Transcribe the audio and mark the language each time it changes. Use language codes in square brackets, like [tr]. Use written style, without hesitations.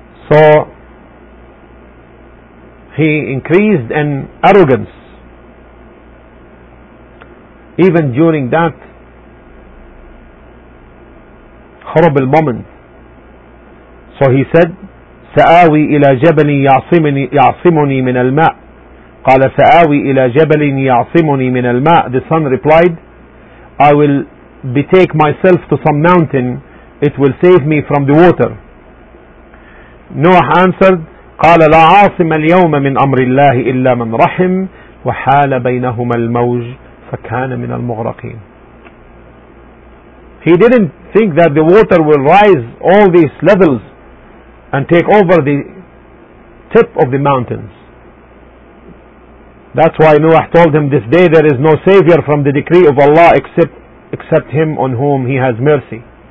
[en] So he increased in arrogance even during that horrible moment. So he said, [ar] سآوي إلى جبل يعصمني من الماء. قال سآوي إلى جبل يعصمني من الماء. [en] The son replied, I will betake myself to some mountain, it will save me from the water. Noah answered, [ar] قال لا عاصم اليوم من أمر الله إلا من رحم وحال بينهما الموج فكان من المغرقين. [en] He didn't think that the water will rise all these levels and take over the tip of the mountains. That's why Noah told him, this day there is no savior from the decree of Allah except him on whom he has mercy.